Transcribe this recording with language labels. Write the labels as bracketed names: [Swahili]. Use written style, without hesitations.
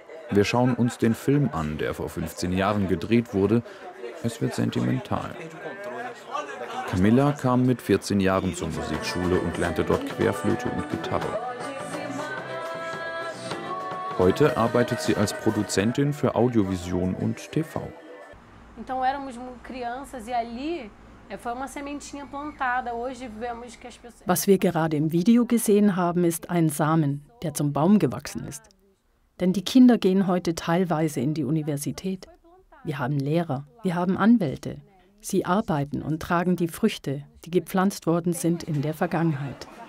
[German] Wir schauen uns den Film an, der vor 15 Jahren gedreht wurde. Es wird sentimental. Camilla kam mit 14 Jahren zur Musikschule und lernte dort Querflöte und Gitarre. Heute arbeitet sie als Produzentin für Audiovision und TV. [Portuguese] Então éramos crianças e ali foi uma sementinha plantada. Hoje vemos que as pessoas. [German] Was wir gerade im Video gesehen haben, ist ein Samen, der zum Baum gewachsen ist. Denn die Kinder gehen heute teilweise in die Universität. Wir haben Lehrer, wir haben Anwälte. Sie arbeiten und tragen die Früchte, die gepflanzt worden sind in der Vergangenheit.